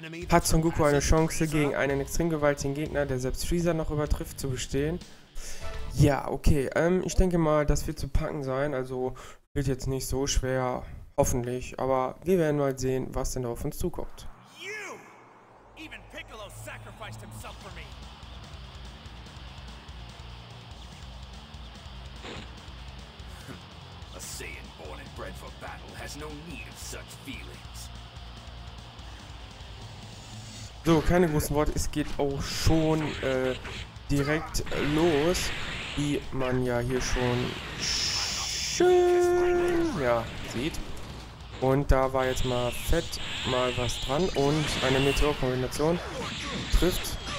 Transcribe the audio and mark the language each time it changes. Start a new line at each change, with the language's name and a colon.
German: Hat Son Goku eine Chance, gegen einen extrem gewaltigen Gegner, der selbst Frieza noch übertrifft, zu bestehen? Ja, okay. Ich denke mal, das wird zu packen sein. Also wird jetzt nicht so schwer. Hoffentlich, aber wir werden mal sehen, was denn da auf uns zukommt.
English: You! Even Piccolo sacrificed himself for me. A Saiyan born and bred for battle has no need of such feelings.
German: So, keine großen Worte, es geht auch schon direkt los, wie man ja hier schon schön sieht. Und da war jetzt mal fett mal was dran und eine Meteor-Kombination trifft.